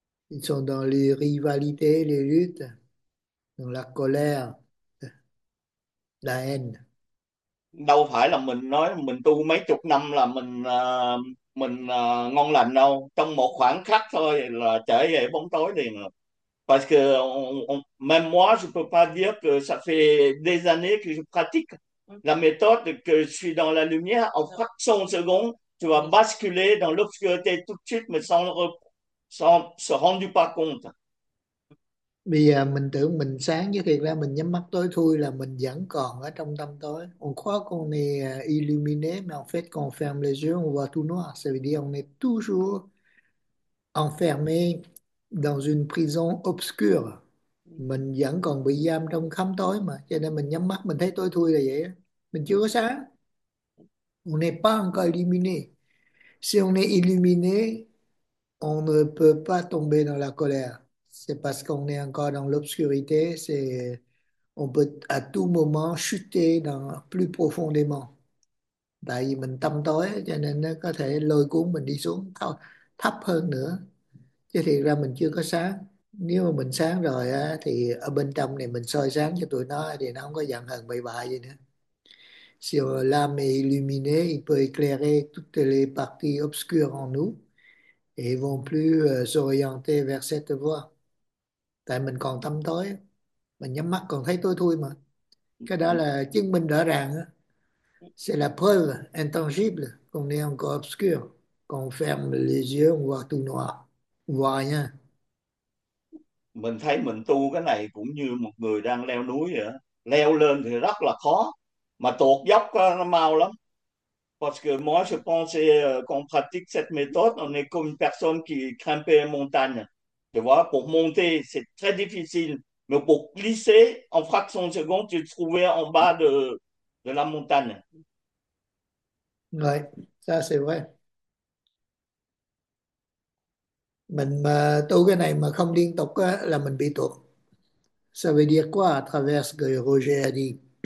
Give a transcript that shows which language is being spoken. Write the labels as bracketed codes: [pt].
[fr] Ils sont dans les rivalités, les luttes, dans la colère, la haine. [vi] Đâu phải là mình nói mình tu mấy chục năm là mình ngon lành đâu, trong một khoảnh khắc thôi là trở về bóng tối liền rồi. [fr] Parce que même moi je peux pas dire que ça fait des années que je pratique la méthode que je suis dans la lumière en fraction de seconde tu vas basculer dans l'obscurité tout de suite mais sans se rendre pas compte. [vi] Bây giờ mình tưởng mình sáng chứ thiệt ra mình nhắm mắt tối thui là mình vẫn còn ở trong tâm tối. [fr] On croit qu'on est illuminé, mais en fait, quand on ferme les yeux, on voit tout noir. Ça veut dire qu'on est toujours enfermé dans une prison obscure. [vi] Mình vẫn còn bị giam trong khám tối mà. Cho nên mình nhắm mắt, mình thấy tối thui là vậy. Mình chưa có sáng. [fr] On n'est pas encore illuminé. Si on est illuminé, on ne peut pas tomber dans la colère. C'est parce qu'on est encore dans l'obscurité, c'est on peut à tout moment chuter dans plus profondément. [vi] Tại vì mình tâm tối cho nên nó có thể lôi cuốn mình đi xuống thấp hơn nữa. Chứ thiệt ra mình chưa có sáng. Nếu mà mình sáng rồi á, thì ở bên trong này mình soi sáng cho tụi nó thì nó không có giận hờn bậy bạ gì nữa. [fr] Si l'âme est illuminée, il peut éclairer toutes les parties obscures en nous et vont plus s'orienter vers cette voie. [vi] Tại mình còn tâm tối, mình nhắm mắt còn thấy tối thui mà. Cái đó là chứng minh rõ ràng. [fr] C'est la preuve intangible qu'on est encore obscur. Quand on ferme les yeux, on voit tout noir. On voit rien. [vi] Mình thấy mình tu cái này cũng như một người đang leo núi vậy, leo lên thì rất là khó mà tuột dốc nó mau lắm. [fr] Parce que moi je pense qu'on pratique cette méthode, on est comme une personne qui grimpe une montagne. Tu vois, pour monter, c'est très difficile. Mais pour glisser en fraction de seconde, tu te trouvais en bas de la montagne. Rồi, ça c'est vrai. [vi] Mình mà tu cái này mà không liên tục á, là mình bị tuột. [fr] Ça veut dire quoi à travers ce que Roger a dit?